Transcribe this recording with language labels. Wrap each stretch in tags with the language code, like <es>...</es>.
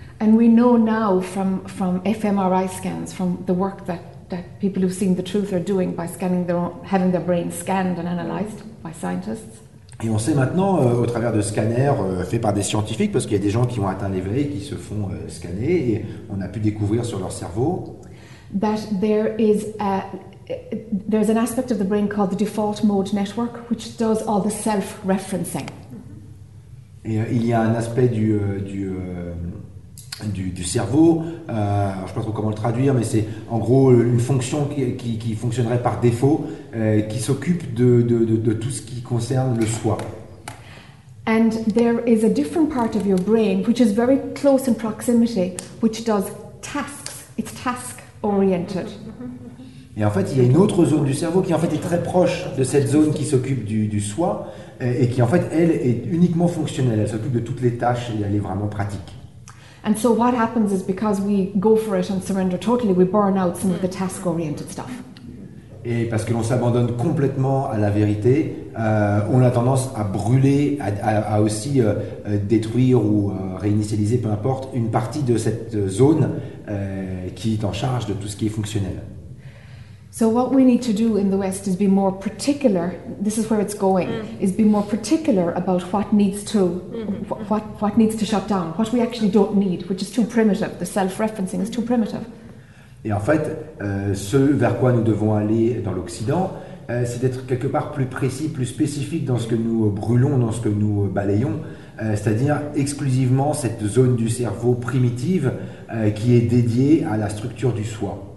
<en>And we know now from fMRI scans, from the work that people who've seen the truth are doing by scanning their own, having their brain scanned and analyzed by scientists.</en> <fr>Et on sait maintenant, au travers de scanners faits par des scientifiques, parce qu'il y a des gens qui ont atteint l'éveil, qui se font scanner, et on a pu découvrir sur leur cerveau...</fr> <en>That there is there's an aspect of the brain called the default mode network, which does all the self-referencing.</en> <fr>Et il y a un aspect du cerveau, je ne sais pas trop comment le traduire, mais c'est en gros une fonction qui fonctionnerait par défaut, qui s'occupe de tout ce qui concerne le soi.</fr> <en>And there is a different part of your brain, which is very close in proximity, which does tasks. It's task-oriented.</en> <fr>Et en fait, il y a une autre zone du cerveau qui en fait est très proche de cette zone qui s'occupe du soi et qui en fait, elle, est uniquement fonctionnelle. Elle s'occupe de toutes les tâches et elle est vraiment pratique.</fr> <en>And so what happens is because we go for it and surrender totally, we burn out some of the task-oriented stuff.</en> <fr>Et parce que l'on s'abandonne complètement à la vérité, on a tendance à brûler, à aussi détruire ou réinitialiser, peu importe, une partie de cette zone qui est en charge de tout ce qui est fonctionnel.</fr> <en>So what we need to do in the West is be more particular. This is where it's going. Mm-hmm. Is be more particular about what needs to, mm-hmm. what needs to shut down. What we actually don't need, which is too primitive. The self-referencing is too primitive.</en> <fr>Et en fait, ce vers quoi nous devons aller dans l'Occident, c'est d'être quelque part plus précis, plus spécifique dans ce que nous brûlons, dans ce que nous balayons. C'est-à-dire exclusivement cette zone du cerveau primitive qui est dédiée à la structure du soi.</fr>